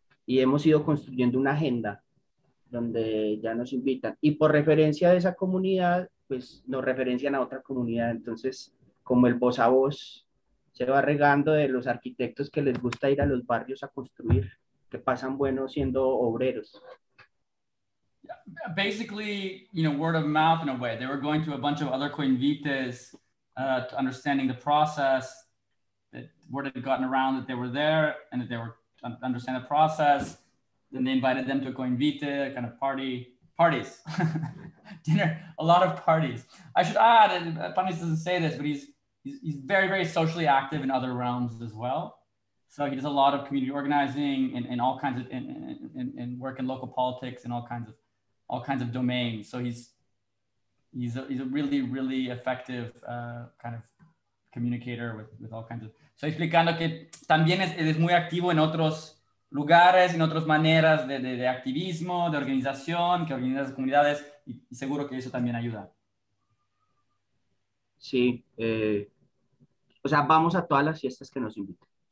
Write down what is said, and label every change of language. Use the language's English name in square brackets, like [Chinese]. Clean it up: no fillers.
[Spanish] Y hemos ido construyendo una agenda donde ya nos invitan. Y por referencia de esa comunidad, pues nos referencian a otra comunidad. Entonces, como el voz a voz se va regando de los arquitectos que les gusta ir a los barrios a construir, que pasan bueno siendo obreros. [English] Yeah, basically, word of mouth in a way. They were going to a bunch of other Coinvites, understanding the process, that word had gotten around that they were there and that they were understand the process. Then they invited them to a Coinvite, kind of parties, dinner, a lot of parties. I should add, and Panis doesn't say this, but he's very, very socially active in other realms as well. So he does a lot of community organizing and all kinds of and work in local politics and all kinds of domains. So he's a really, really effective kind of communicator with all kinds of. [Spanish] So explicando que también es muy activo en otros lugares, en otras maneras de activismo, de organización, que organiza las comunidades, y seguro que eso también ayuda. Sí. O sea, vamos a todas las fiestas que nos invitan.